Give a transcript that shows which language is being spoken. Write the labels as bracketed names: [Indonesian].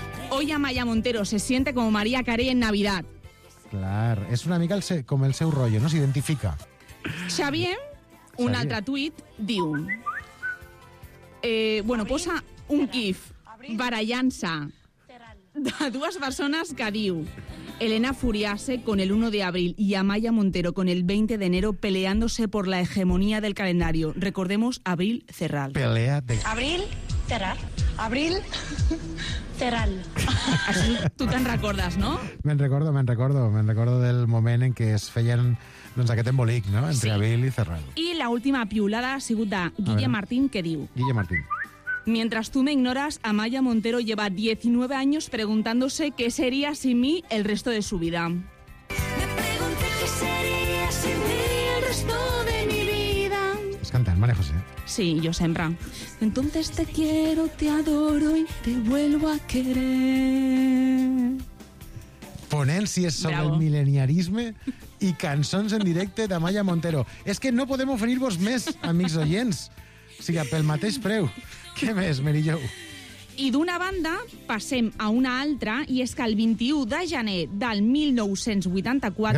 [Spanish] Hoy a Maya Montero se siente como María Carey en Navidad. [Catalan] Clar, és una mica com el seu rotllo, no? S'identifica. Xavier, un altre tuit, diu... posa un gif barallant-se de dues persones que diu... [Spanish] Elena Furiase con el 1 de abril y Amaya Montero con el 20 de enero peleándose por la hegemonía del calendario. Recordemos Abril Cerral. Pelea de... Abril Cerral. Abril Cerral. [Catalan] Així tu te'n recordes, no? Me'n recordo del moment en què es feien aquest embolic, no? Entre Abril i Cerral. I l'última piulada ha sigut de Guille Martín, que diu... Guille Martín. [Spanish] Mientras tú me ignoras, Amaya Montero lleva 19 años preguntándose qué sería sin mí el resto de su vida. Me pregunté qué sería sin mí el resto de mi vida. Es cantar, María José. Sí, yo siempre. Entonces te quiero, te adoro y te vuelvo a querer. [Catalan] Ponències sobre el mileniarisme i cançons en directe d'Amaya Montero. És que no podem oferir-vos més, amics oients. O sigui, pel mateix preu. Què més, Merillou? I d'una banda passem a una altra, i és que el 21 de gener del 1984...